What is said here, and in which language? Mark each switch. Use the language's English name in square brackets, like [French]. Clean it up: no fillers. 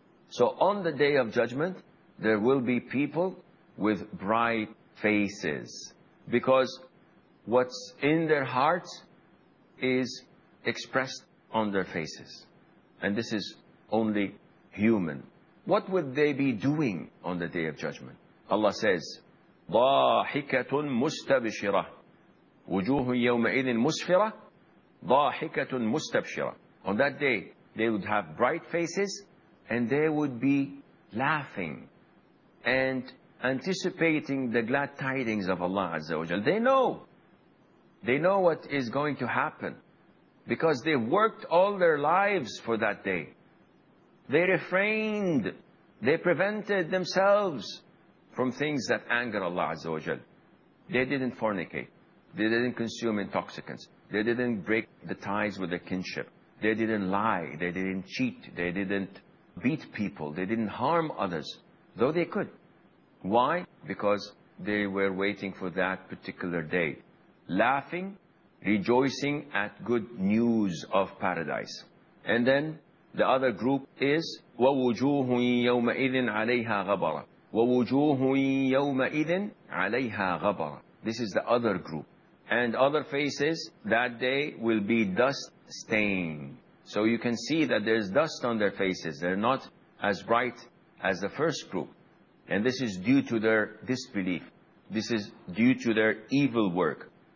[English] So on the day of judgment, there will be people with bright faces because what's in their hearts is expressed on their faces. And this is only human. What would they be doing on the day of judgment? Allah says, [Arabic] ضَاحِكَةٌ مُسْتَبْشِرَةٌ وُجُوهٌ يَوْمَئِذٍ مُسْفِرَةٌ ضَاحِكَةٌ مُسْتَبْشِرَةٌ. [English] On that day, they would have bright faces and they would be laughing and anticipating the glad tidings of Allah Azza wa Jal. They know. They know what is going to happen because they worked all their lives for that day. They refrained. They prevented themselves from things that anger Allah Azza wa Jal. They didn't fornicate. They didn't consume intoxicants. They didn't break the ties with their kinship. They didn't lie. They didn't cheat. They didn't beat people. They didn't harm others, though they could. Why? Because they were waiting for that particular day, laughing, rejoicing at good news of paradise. And then the other group is [Arabic] وَوُجُوهٌ يَوْمَئِذٍ عَلَيْهَا غَبَرَ وَوُجُوهٌ يَوْمَئِذٍ عَلَيْهَا غَبَرَ. [English] This is the other group. And other faces that day will be dust stained. So you can see that there's dust on their faces. They're not as bright as the first group. And this is due to their disbelief. This is due to their evil work.